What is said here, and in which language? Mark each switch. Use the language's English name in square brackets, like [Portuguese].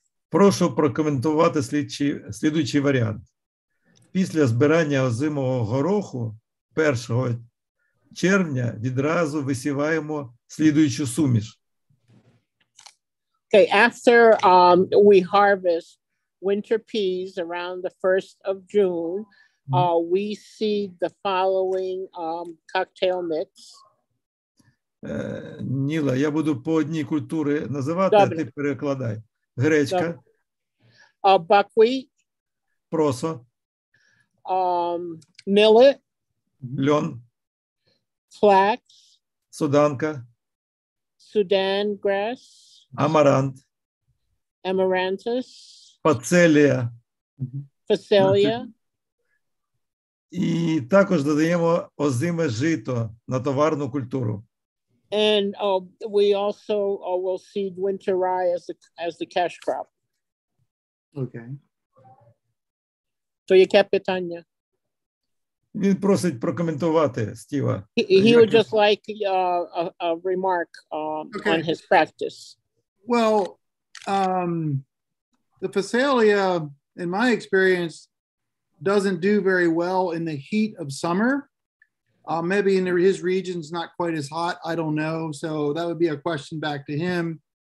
[Ukrainian] Прошу прокоментувати слідуючий варіант. Після збирання озимого гороху 1 червня відразу висіваємо слідуючу суміш. [English] Okay, after we harvest winter peas around the 1st of June, we seed the following cocktail mix. [Ukrainian] Ніла, я буду по одній культурі називати, Добре. А ти перекладай. Гречка. [English] Buckwheat. [Ukrainian] Просо. [English] Millet, [Ukrainian] льон, [English] flax, [Ukrainian] суданка, [English] Sudan grass, [Ukrainian] амарант, [English] amaranthus, [Ukrainian] фацелія, фацелія. І також додаємо озиме жито на товарну культуру. [English] And we also will seed winter rye as the cash crop. Okay. [Ukrainian] То яке питання? Він просить прокоментувати Стіва. [English] He would just like a remark okay. on his practice. Well, the Phacelia, in my experience, doesn't do very well in the heat of summer. Maybe in his region's not quite as hot, I don't know. So that would be a question back to him.